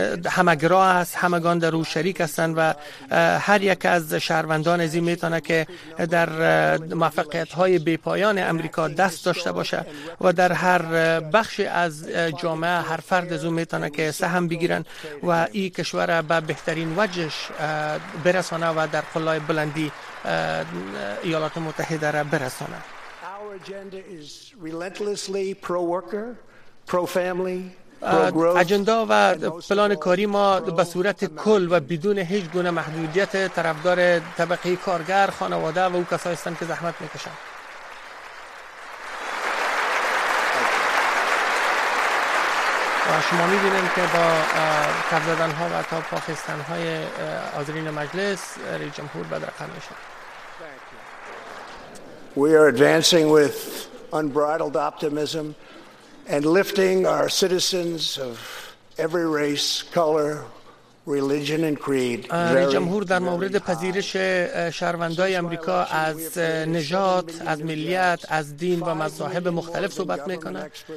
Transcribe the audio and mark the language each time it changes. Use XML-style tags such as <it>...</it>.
<fa>همگرا است، همگان در او شریک هستند و هر یک از شهروندان از این میتونه که در موفقیت های بی پایان امریکا دست داشته باشه و در هر بخش از جامعه هر فرد از او میتونه که سهم بگیرن و این کشور به بهترین وجهش برسانه و در قله‌های بلندی ایالات متحده را برساند.</fa> <en>Our agenda is relentlessly pro-worker, pro-family.</en> <fa>اجندا و پلان کاری ما به صورت کل و بدون هیچ گونه محدودیت طرفدار طبقه کارگر، خانواده و او کسایی هستند که زحمت می‌کشند. و شما می‌بینید که با کف زدن‌ها و تا پاخستن‌های حاضرین مجلس رئیس جمهور بدرقه می‌شد.</fa> <en>We are advancing with unbridled optimism and lifting our citizens of every race, color, religion and creed.</en> <fa>رئیس جمهور در مورد پذیرش شهروندان آمریکا از نژاد، از ملیت، از دین و مذاهب مختلف صحبت میکنه.</fa>